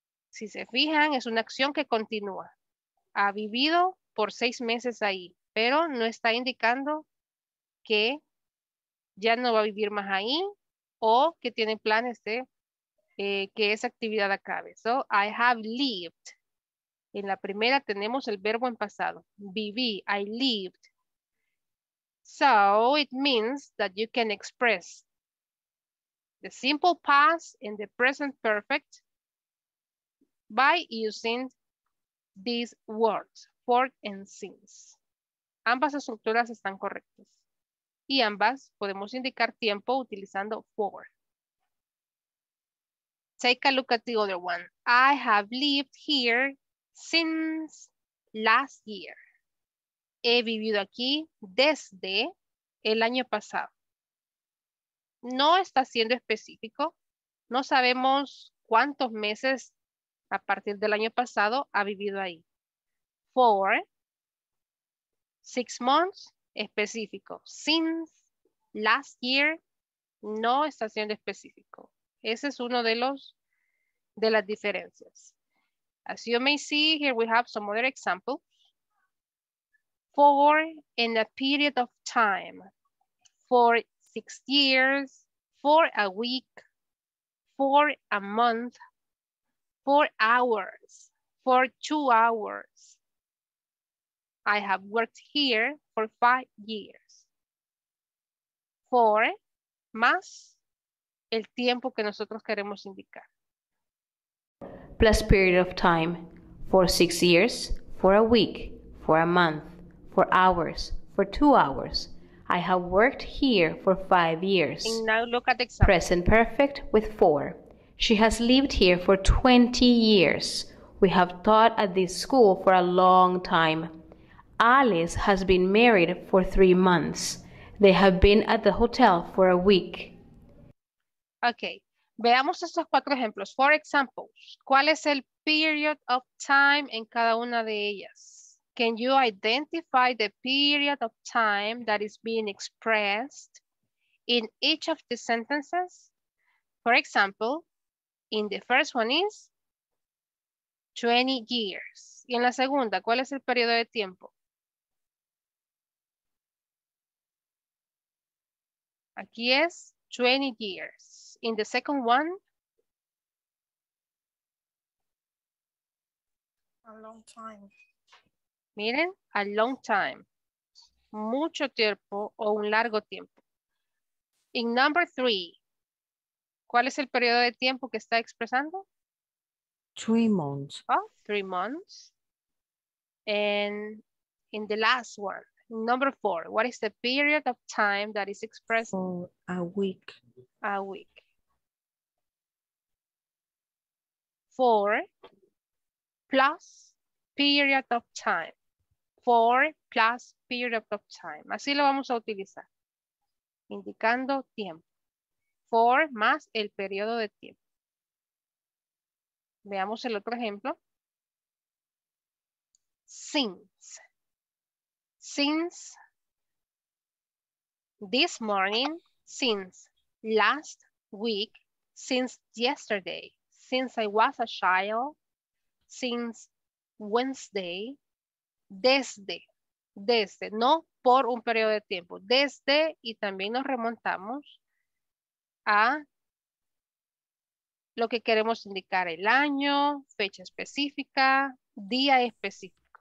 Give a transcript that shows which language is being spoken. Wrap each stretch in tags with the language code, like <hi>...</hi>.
<es>Si se fijan, es una acción que continúa. Ha vivido por 6 meses ahí, pero no está indicando que ya no va a vivir más ahí o que tiene planes de que esa actividad acabe.</es> <en>So, I have lived.</en> <es>En la primera tenemos el verbo en pasado. Viví,</es> <en>I lived. So, it means that you can express the simple past and the present perfect by using these words, for and since.</en> <es>Ambas estructuras están correctas. Y ambas podemos indicar tiempo utilizando for.</es> <en>Take a look at the other one. I have lived here since last year.</en> <es>He vivido aquí desde el año pasado. No está siendo específico. No sabemos cuántos meses a partir del año pasado ha vivido ahí.</es> <en>For 6 months,</en> <es>específico.</es> <en>Since last year,</en> <es>no está siendo específico. Ese es uno de los de las diferencias.</es> <en>As you may see, here we have some other examples. For in a period of time. For 6 years. For a week, for a month, for hours, for 2 hours. I have worked here for 5 years.</en> <es>For más el tiempo que nosotros queremos indicar.</es> <en>Plus period of time, for 6 years, for a week, for a month, for hours, for 2 hours. I have worked here for 5 years. And now look at the example. Present perfect with for. She has lived here for 20 years. We have taught at this school for a long time. Alice has been married for 3 months. They have been at the hotel for a week.</en> <es>Okay. Veamos estos cuatro ejemplos.</es> <en>For example,</en> <es>¿cuál es el</es> <en>period of time</en> <es>en cada una de ellas?</es> <en>Can you identify the period of time that is being expressed in each of the sentences? For example, in the first one is 20 years.</en> <es>Y en la segunda, ¿cuál es el periodo de tiempo? Aquí es</es> <en>20 years. In the second one, a long time.</en> <es>Miren,</es> <en>a long time,</en> <es>mucho tiempo o un largo tiempo.</es> <en>In number three,</en> <es>¿cuál es el periodo de tiempo que está expresando?</es> <en>3 months. Oh, 3 months. And in the last one, number four, what is the period of time that is expressed? For a week. A week. Four plus period of time. For plus period of time.</en> <es>Así lo vamos a utilizar. Indicando tiempo. For más el periodo de tiempo. Veamos el otro ejemplo.</es> <en>Since. Since this morning. Since last week. Since yesterday. since I was a child, since Wednesday,</en> <es>desde, no por un periodo de tiempo, desde, y también nos remontamos a lo que queremos indicar, el año, fecha específica, día específico.</es>